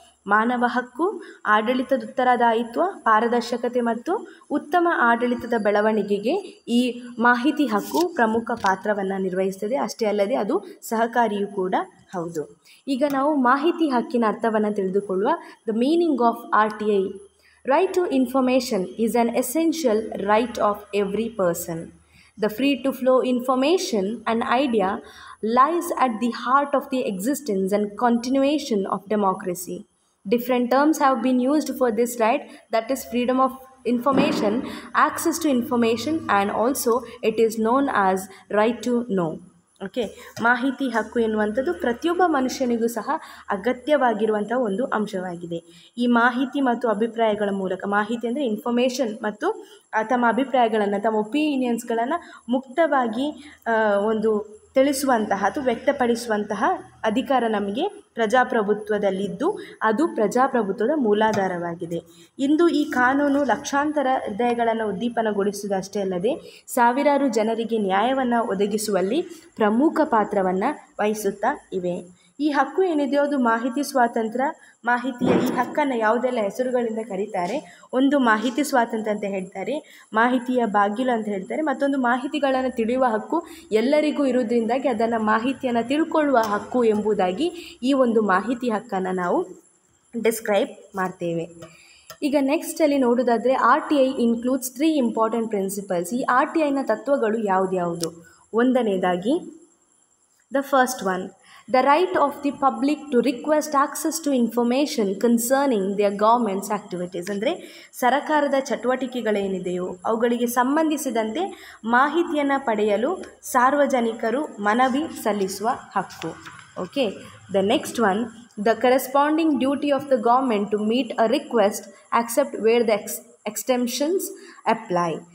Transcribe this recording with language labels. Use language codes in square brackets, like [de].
[kn] ಮಾನವ ಹಕ್ಕು, ಆಡಳಿತದ ಉತ್ತರದಾಯಿತ್ವ, ಪಾರದರ್ಶಕತೆ ಮತ್ತು ಉತ್ತಮ ಆಡಳಿತದ ಬೆಳವಣಿಗೆಗೆ ಈ ಮಾಹಿತಿ ಹಕ್ಕು ಪ್ರಮುಖ ಪಾತ್ರವನ್ನು ನಿರ್ವಹಿಸ್ತದೆ. ಅಷ್ಟೇ ಅಲ್ಲದೆ ಅದು ಸಹಕಾರಿಯೂ ಕೂಡ ಹೌದು. ಈಗ ನಾವು ಮಾಹಿತಿ ಹಕ್ಕಿನ ಅರ್ಥವನ್ನು ತಿಳಿದುಕೊಳ್ಳುವ. [en] The meaning of RTI. Right to information is an essential right of every person. The free to flow information and idea lies at the heart of the existence and continuation of democracy. Different terms have been used for this right, that is freedom of information, access to information, and also it is known as right to know. [kn] Okay, ಮಾಹಿತಿ ಹಕ್ಕು ಎನ್ನುವಂಥದ್ದು ಪ್ರತಿಯೊಬ್ಬ ಮನುಷ್ಯನಿಗೂ ಸಹ ಅಗತ್ಯವಾಗಿರುವಂಥ ಒಂದು ಅಂಶವಾಗಿದೆ. ಈ ಮಾಹಿತಿ ಮತ್ತು ಅಭಿಪ್ರಾಯಗಳ ಮೂಲಕ, ಮಾಹಿತಿ ಅಂದರೆ ಇನ್ಫಾರ್ಮೇಷನ್, ಮತ್ತು ತಮ್ಮ ಅಭಿಪ್ರಾಯಗಳನ್ನು, ತಮ್ಮ ಒಪಿನಿಯನ್ಸ್ಗಳನ್ನು ಮುಕ್ತವಾಗಿ ಒಂದು ತಿಳಿಸುವಂತಹ ಅಥವಾ ವ್ಯಕ್ತಪಡಿಸುವಂತಹ ಅಧಿಕಾರ ನಮಗೆ ಪ್ರಜಾಪ್ರಭುತ್ವದಲ್ಲಿದ್ದು ಅದು ಪ್ರಜಾಪ್ರಭುತ್ವದ ಮೂಲಾಧಾರವಾಗಿದೆ. ಇಂದು ಈ ಕಾನೂನು ಲಕ್ಷಾಂತರ ಹೃದಯಗಳನ್ನು ಉದ್ದೀಪನಗೊಳಿಸುವುದಷ್ಟೇ ಅಲ್ಲದೆ ಸಾವಿರಾರು ಜನರಿಗೆ ನ್ಯಾಯವನ್ನು ಒದಗಿಸುವಲ್ಲಿ ಪ್ರಮುಖ ಪಾತ್ರವನ್ನು ವಹಿಸುತ್ತಾ ಇವೆ. ಈ ಹಕ್ಕು ಏನಿದೆಯೋ ಅದು ಮಾಹಿತಿ ಸ್ವಾತಂತ್ರ್ಯ, ಮಾಹಿತಿಯ ಈ ಹಕ್ಕನ್ನು ಯಾವುದೆಲ್ಲ ಹೆಸರುಗಳಿಂದ ಕರೀತಾರೆ, ಒಂದು ಮಾಹಿತಿ ಸ್ವಾತಂತ್ರ್ಯ ಅಂತ ಹೇಳ್ತಾರೆ, ಮಾಹಿತಿಯ ಬಾಗಿಲು ಅಂತ ಹೇಳ್ತಾರೆ, ಮತ್ತೊಂದು ಮಾಹಿತಿಗಳನ್ನು ತಿಳಿಯುವ ಹಕ್ಕು ಎಲ್ಲರಿಗೂ ಇರುವುದರಿಂದಾಗಿ ಅದನ್ನು ಮಾಹಿತಿಯನ್ನು ತಿಳ್ಕೊಳ್ಳುವ ಹಕ್ಕು ಎಂಬುದಾಗಿ ಈ ಒಂದು ಮಾಹಿತಿ ಹಕ್ಕನ್ನು ನಾವು ಡಿಸ್ಕ್ರೈಬ್ ಮಾಡ್ತೇವೆ. ಈಗ ನೆಕ್ಸ್ಟಲ್ಲಿ ನೋಡೋದಾದರೆ [en] RTI includes 3 important principles. [kn] ಈ RTIನ ತತ್ವಗಳು ಯಾವುದ್ಯಾವುದು? ಒಂದನೇದಾಗಿ, [en] The first one, The right of the public to request access to information concerning their government's activities. [kn] ಅಂದರೆ ಸರಕಾರದ ಚಟುವಟಿಕೆಗಳೇನಿದೆಯೋ ಅವುಗಳಿಗೆ ಸಂಬಂಧಿಸಿದಂತೆ ಮಾಹಿತಿಯನ್ನು ಪಡೆಯಲು ಸಾರ್ವಜನಿಕರು ಮನವಿ ಸಲ್ಲಿಸುವ ಹಕ್ಕು. [en] Okay, the next one, the corresponding duty of the government to meet a request except where the extensions apply.